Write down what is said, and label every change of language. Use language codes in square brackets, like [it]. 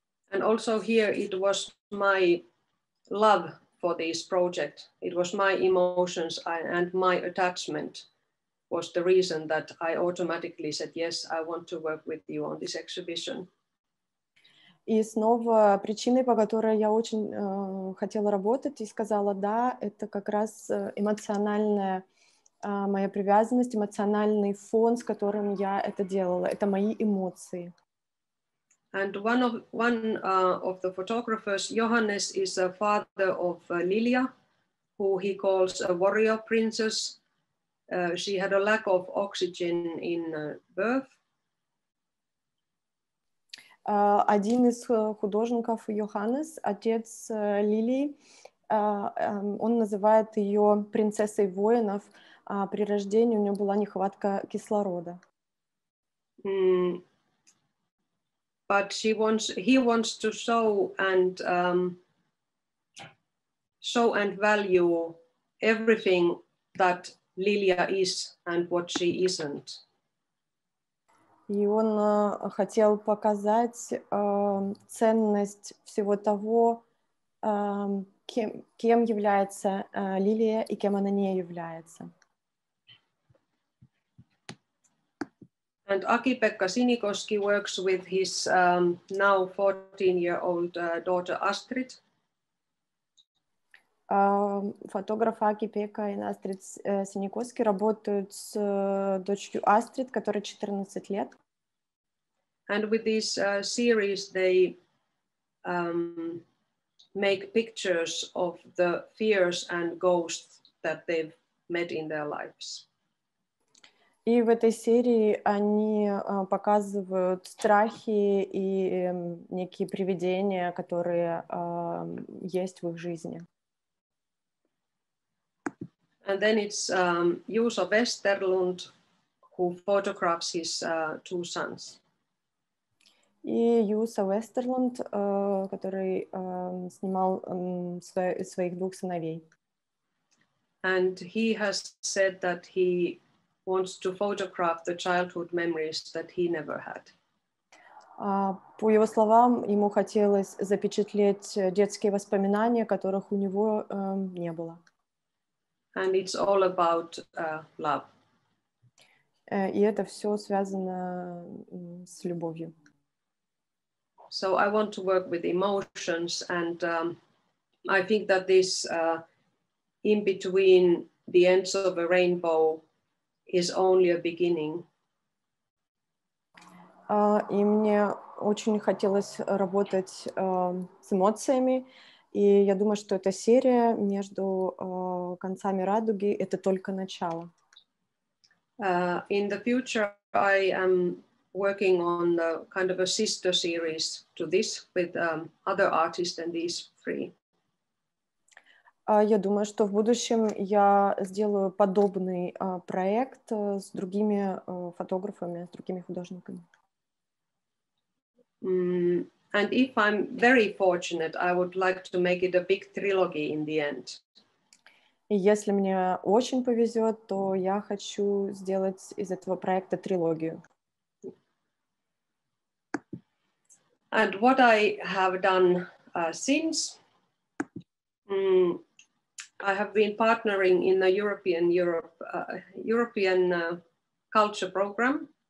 [en] And also here it was my love for this project. It was my emotions and my attachment was the reason that I automatically said, yes, I want to work with you on this exhibition. [ru] И снова причиной, по которой я очень хотела работать и сказала «да», это как раз эмоциональная моя привязанность, эмоциональный фон, с которым я это делала. Это мои эмоции. [en] And one of the photographers, Johannes, is a father of Lilia, who he calls a warrior princess. She had a lack of oxygen in birth. [ru] Один из художников, Johannes, отец Лилии, он называет ее принцессой воинов. При рождении у нее была нехватка кислорода. [en] But he wants to show and value everything that Lilia is and what she isn't. [ru] И он хотел показать ценность всего того, кем является Лилия и кем она не является. [en] And Aki-Pekka Sinikoski works with his now 14-year-old daughter Astrid. [ru] Фотограф Аки-Пекка и Астрид Синикоски работают с дочерью Астрид, которой 14 лет. [en] And with this series they make pictures of the fears and ghosts that they've met in their lives. [ru] И в этой серии они показывают страхи и некие привидения, которые есть в их жизни. [en] And then it's Juuso Westerlund, who photographs his two sons. [ru] И Juuso Westerlund, который снимал своих двух сыновей. [en] And he has said that he wants to photograph the childhood memories that he never had. [ru] По его словам, ему хотелось запечатлеть детские воспоминания, которых у него не было. [en] And it's all about love. [ru] И это все связано с любовью. [en] So I want to work with emotions, and I think that this in between the ends of a rainbow is only a beginning. [ru] И мне очень хотелось работать с эмоциями, и я думаю, что эта серия между концами радуги — это только начало. [en] In the future, I am working on a kind of a sister series to this with other artists than these three. [ru] Я думаю, что в будущем я сделаю подобный проект с другими фотографами, с другими художниками. [en] And if I'm very fortunate, I would like to make it a big trilogy in the end. [ru] И если мне очень повезет, то я хочу сделать из этого проекта трилогию. [en] And what I have done since, I have been partnering in the European culture program.